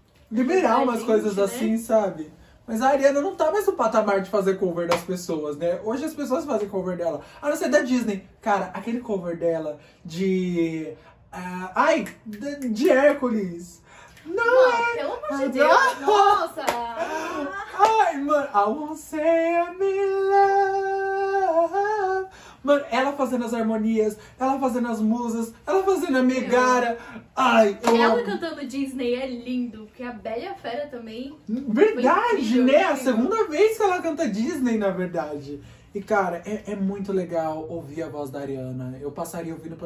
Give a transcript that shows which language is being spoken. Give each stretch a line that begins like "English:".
Portuguese: liberar umas gente, coisas assim, né? Sabe? Mas a Ariana não tá mais no patamar de fazer cover das pessoas, né? Hoje as pessoas fazem cover dela. A não ser da Disney. Cara, aquele cover dela de... ai, de Hércules. Não, mano, pelo amor de Deus, nossa!
English: Ai, mano, I won't say I'm in love.
Portuguese: Mano, ela fazendo as harmonias, ela fazendo as musas, ela fazendo a Megara. Ai, eu ela amo. Cantando Disney é lindo, porque a Bela Fera também. Verdade, né? A segunda vez que ela canta Disney, na verdade. E, cara, é muito legal ouvir a voz da Ariana. Eu passaria ouvindo...